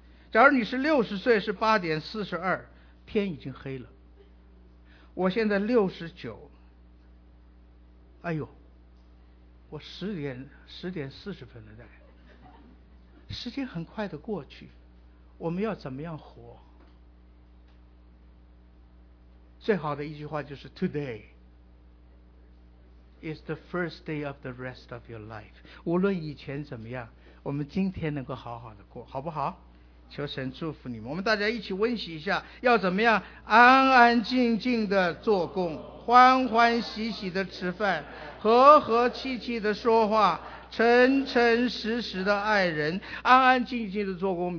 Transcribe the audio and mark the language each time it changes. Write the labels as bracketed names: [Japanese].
[Chinese] 假如你是60岁，是8点42，天已经黑了。我现在69，哎呦，我10点40分了，大概。时间很快的过去，我们要怎么样活？最好的一句话就是 [English] "Today is the first day of the rest of your life." [Chinese] 无论以前怎么样，我们今天能够好好的过，好不好？求神祝福你们，我们大家一起温习一下，要怎么样安安静静的做工，欢欢喜喜的吃饭，和和气气的说话，诚诚实实的爱人，安安静静的做工。